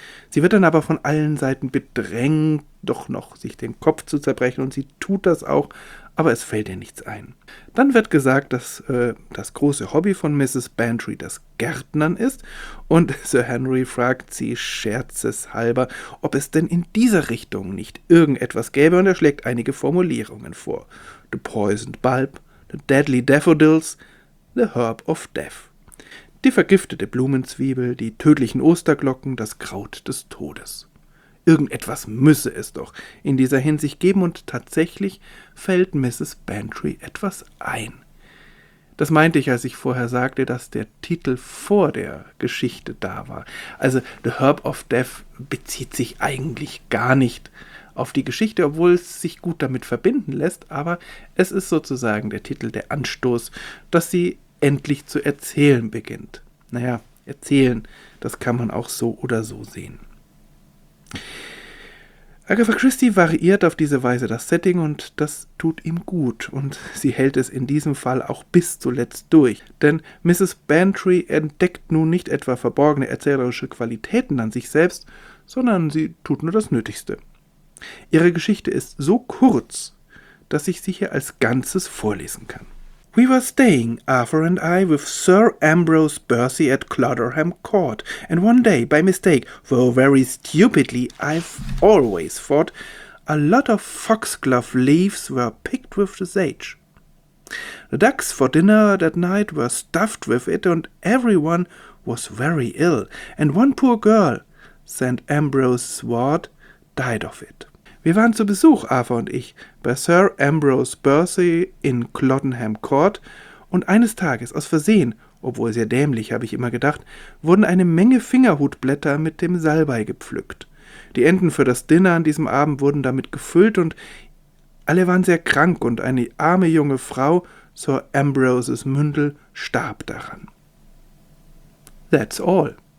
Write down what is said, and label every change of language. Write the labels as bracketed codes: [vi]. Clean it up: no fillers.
[de] Sie wird dann aber von allen Seiten bedrängt, doch noch sich den Kopf zu zerbrechen, und sie tut das auch, aber es fällt ihr nichts ein. Dann wird gesagt, dass das große Hobby von Mrs. Bantry das Gärtnern ist, und Sir Henry fragt sie scherzeshalber, ob es denn in dieser Richtung nicht irgendetwas gäbe, und er schlägt einige Formulierungen vor. [en] The poisoned bulb, the deadly daffodils, the herb of death. [de] Die vergiftete Blumenzwiebel, die tödlichen Osterglocken, das Kraut des Todes. Irgendetwas müsse es doch in dieser Hinsicht geben, und tatsächlich fällt Mrs. Bantry etwas ein. Das meinte ich, als ich vorher sagte, dass der Titel vor der Geschichte da war. Also The Herb of Death bezieht sich eigentlich gar nicht auf die Geschichte, obwohl es sich gut damit verbinden lässt, aber es ist sozusagen der Titel, der Anstoß, dass sie endlich zu erzählen beginnt. Naja, erzählen, das kann man auch so oder so sehen. Agatha Christie variiert auf diese Weise das Setting, und das tut ihm gut, und sie hält es in diesem Fall auch bis zuletzt durch. Denn Mrs. Bantry entdeckt nun nicht etwa verborgene erzählerische Qualitäten an sich selbst, sondern sie tut nur das Nötigste. Ihre Geschichte ist so kurz, dass ich sie hier als Ganzes vorlesen kann. [en] We were staying, Arthur and I, with Sir Ambrose Bursey at Clodderham Court, and one day, by mistake, though very stupidly, I've always thought, a lot of foxglove leaves were picked with the sage. The ducks for dinner that night were stuffed with it, and everyone was very ill, and one poor girl, St. Ambrose's ward, died of it. [de] Wir waren zu Besuch, Arthur und ich, bei Sir Ambrose Bursey in Clodderham Court, und eines Tages, aus Versehen, obwohl sehr dämlich, habe ich immer gedacht, wurden eine Menge Fingerhutblätter mit dem Salbei gepflückt. Die Enden für das Dinner an diesem Abend wurden damit gefüllt, und alle waren sehr krank, und eine arme junge Frau, Sir Ambrose's Mündel, starb daran. [en] That's all.